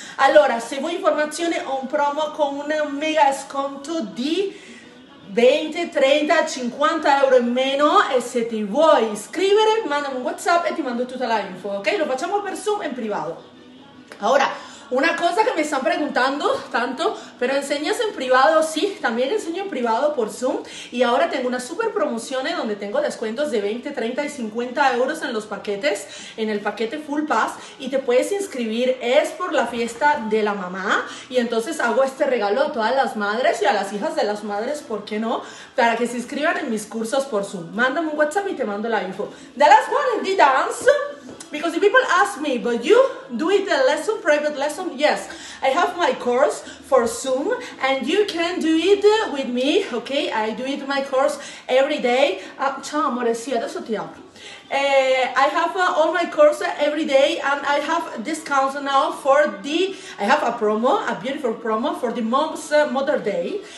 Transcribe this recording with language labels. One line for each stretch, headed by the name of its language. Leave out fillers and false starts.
Italian: Allora, se vuoi informazioni, ho un promo con un mega sconto di 20, 30, 50 euro in meno. E se ti vuoi iscrivere, mandami un WhatsApp e ti mando tutta la info, ok? Lo facciamo per Zoom in privato. Ora, una cosa che mi stanno
Spanish: preguntando
Italian: tanto, però insegnas in privato? Sì,
Spanish: también
Italian: insegno in privato por Zoom. E ora
Spanish: tengo una super promozione donde tengo descuentos de 20, 30 e 50 euro en los paquetes, en el paquete Full Pass. E te puedes inscribir, es por la fiesta de la mamá. Y entonces hago este regalo a todas las madres y a las hijas de las madres, ¿por qué no? Para que se inscriban en mis cursos por Zoom. Mándame un WhatsApp y te mando la info.
English: The last one is the dance. Because the people ask me, but you do it a lesson, private lesson? Yes, I have my course for Zoom and you can do it with me, okay? I do it my course every day.
Italian: Ciao amore, sì, adesso ti apro.
English: I have all my course every day and I have discounts now for the, I have a promo, a beautiful promo for the mom's Mother Day.